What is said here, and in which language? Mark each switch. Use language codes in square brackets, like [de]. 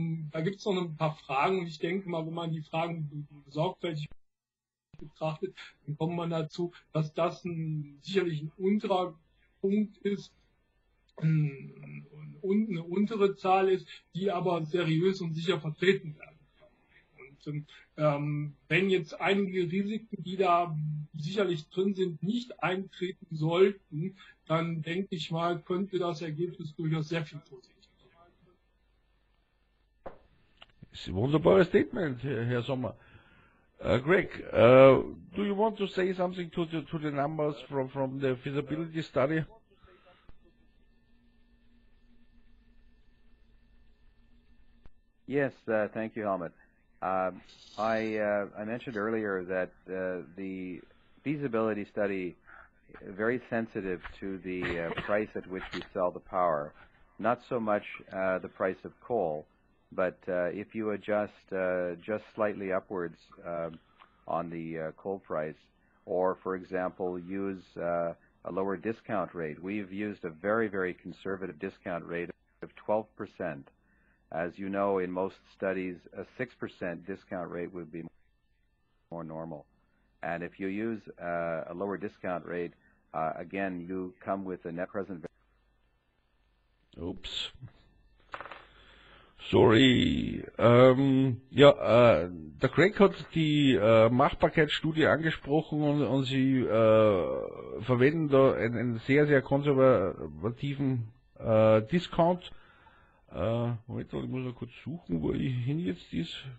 [de] Da gibt es noch ein paar Fragen, und ich denke mal, wenn man die Fragen sorgfältig betrachtet, dann kommt man dazu, dass das sicherlich ein unterer Punkt ist, eine untere Zahl ist, die aber seriös und sicher vertreten werden kann. Und wenn jetzt einige Risiken, die da sicherlich drin sind, nicht eintreten sollten, dann denke ich mal, könnte das Ergebnis durchaus sehr viel positiver sein. Das ist ein wunderbares Statement, Herr Sommer. [en] Greg, do you want to say something to the numbers from the feasibility study? Yes, thank you, Helmut. I mentioned earlier that the feasibility study is very sensitive to the price at which we sell the power, not so much the price of coal. But if you adjust just slightly upwards on the coal price, or, for example, use a lower discount rate, we've used a very, very conservative discount rate of 12%. As you know, in most studies, a 6% discount rate would be more normal. And if you use a lower discount rate, again, you come with a net present value. Oops. [de] Sorry, der Greg hat die Machbarkeitsstudie angesprochen und sie verwenden da einen sehr, sehr konservativen Discount. Moment, ich muss noch kurz suchen, wo ich hin jetzt ist.